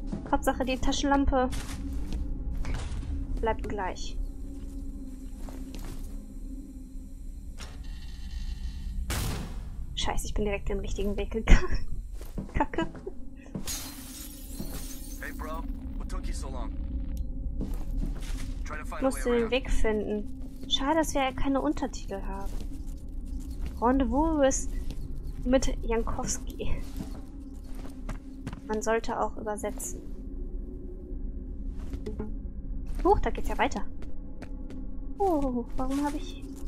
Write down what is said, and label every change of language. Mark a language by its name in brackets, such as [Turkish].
[German] Hauptsache, die Taschenlampe bleibt gleich. Scheiße, ich bin direkt den richtigen Weg gegangen. Kacke. [English] Hey, Bro, what took you so long? [German] Musst du den Weg finden. Schade, dass wir ja keine Untertitel haben. Rendezvous mit Jankowski. Man sollte auch übersetzen. Huch, da geht's ja weiter. Warum habe ich...